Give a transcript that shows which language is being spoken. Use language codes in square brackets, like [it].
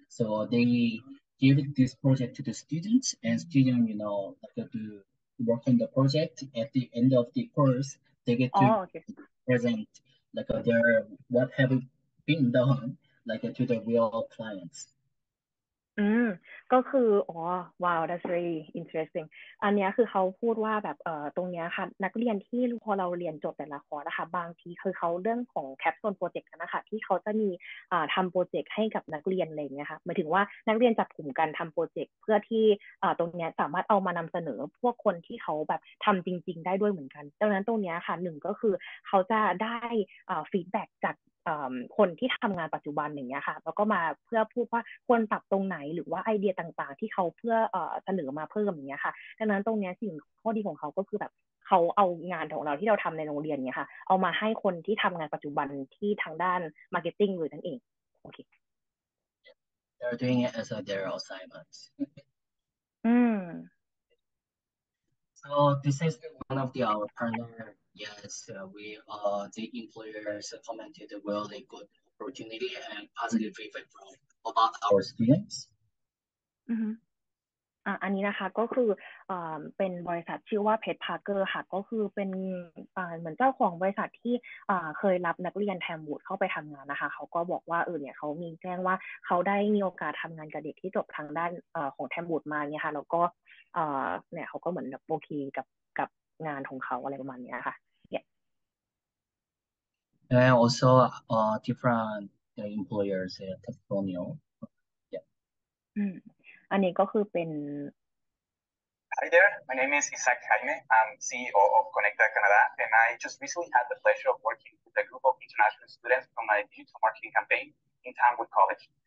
[en] So they give this project to the students and student, you know, like to work on the project. At the end of the course, they get to present like their what have been done like to the real clients. [th] ก็คืออ๋อว้าว [en] that's really interesting [th] อันนี้คือเขาพูดว่าแบบตรงนี้ค่ะนักเรียนที่พอเราเรียนจบแต่ละคอร์สนะคะบางทีคือเขาเรื่องของแคปซูลโปรเจกต์นะคะที่เขาจะมีทำโปรเจกต์ให้กับนักเรียนอะไรเงี้ยค่ะหมายถึงว่านักเรียนจับกลุ่มกันทำโปรเจกต์เพื่อที่ตรงนี้สามารถเอามานําเสนอพวกคนที่เขาแบบทําจริงๆได้ด้วยเหมือนกันดังนั้นตรงนี้ค่ะหนึ่งก็คือเขาจะได้ฟีดแบ็กจาก คนที่ทํางานปัจจุบันอย่างเงี้ยค่ะแล้วก็มาเพื่อพูดว่าควรปรับตรงไหนหรือว่าไอเดียต่างๆที่เขาเพื่อเสนอมาเพิ่มอย่างเงี้ยค่ะดังนั้นตรงเนี้ยสิ่งข้อดีของเขาก็คือแบบเขาเอางานของเราที่เราทําในโรงเรียนเนี้ยค่ะเอามาให้คนที่ทํางานปัจจุบันที่ทางด้านมาร์เก็ตติ้งเลยนั่นเองโอเค [en] They're doing it as their assignments. So this is one of our partner. Yes, we are the employers commented a really good opportunity and positive feedback from about our students. [th] อันนี้นะคะก็คือเป็นบริษัทชื่อว่าเพชรพาร์เกอร์ค่ะก็คือเป็นเหมือนเจ้าของบริษัทที่เคยรับนักเรียนแทมวูดเข้าไปทํางานนะคะเขาก็บอกว่าเนี่ยเขามีแจ้งว่าเขาได้มีโอกาสทํางานกับเด็กที่จบทางด้านของแทมวูดมาเนี่ยค่ะแล้วก็เนี่ยเขาก็เหมือนแบบโอเคกับงานของเขาอะไรประมาณนี้ค่ะ [en] And also different employers testimonial. [th] อันนี้ก็คือเป็น [en] Hi there, my name is Isaac Jaime. I'm CEO of Connecta Canada, and I just recently had the pleasure of working with a group of international students from my digital marketing campaign in Tamworth College.